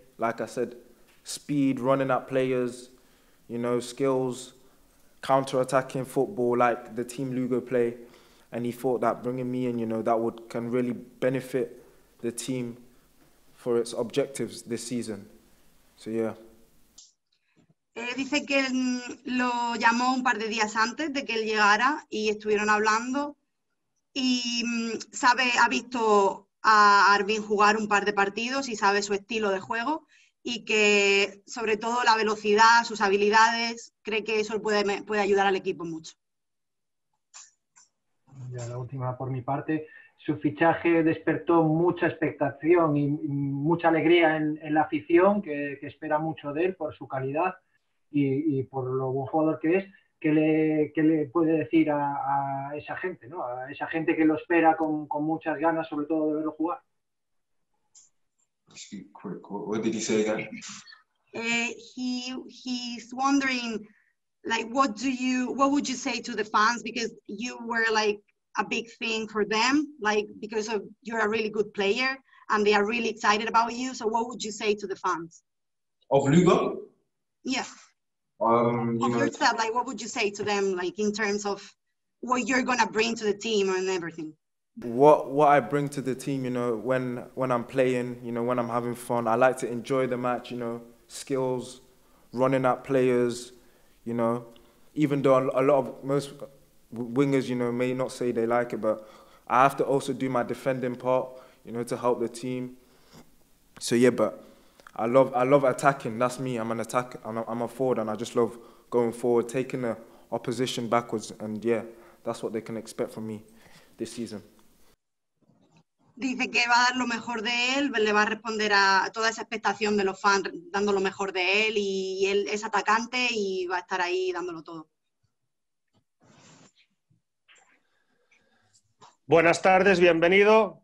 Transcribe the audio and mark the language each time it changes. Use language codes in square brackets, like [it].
[en] Like I said, speed, running at players, you know, skills, counter-attacking football, like the Team Lugo play. And he thought that bringing me in, you know, that can really benefit the team for its objectives this season. So, yeah. [es] Dice que lo llamó un par de días antes de que él llegara y estuvieron hablando. Y sabe, ha visto a Arvin jugar un par de partidos y sabe su estilo de juego. Y que, sobre todo, la velocidad, sus habilidades, cree que eso puede ayudar al equipo mucho. Ya la última por mi parte. Su fichaje despertó mucha expectación y mucha alegría en la afición, que espera mucho de él por su calidad. Y por lo buen jugador que es, ¿qué le puede decir a esa gente, ¿no? A esa gente que lo espera con muchas ganas, sobre todo de verlo jugar. [en] What did he say again? He's wondering, like, what would you say to the fans, because you were like a big thing for them, like, because of you're a really good player and they are really excited about you. So what would you say to the fans? Of Lugo? Yeah. Yourself, like, what would you say to them, like, in terms of what you're going to bring to the team and everything? What I bring to the team, you know, when I'm playing, you know, when I'm having fun, I like to enjoy the match, you know, skills, running at players, you know, even though most wingers, you know, may not say they like it, but I have to also do my defending part, you know, to help the team. So, yeah, but I love attacking. That's me. I'm an attacker. I'm a forward, and I just love going forward, taking the opposition backwards, and yeah, that's what they can expect from me this season. [es] Dice que va a dar lo mejor de él, le va a responder a toda esa expectación de los fans, dando lo mejor de él, y él es atacante y va a estar ahí dándolo todo. Buenas tardes, bienvenido.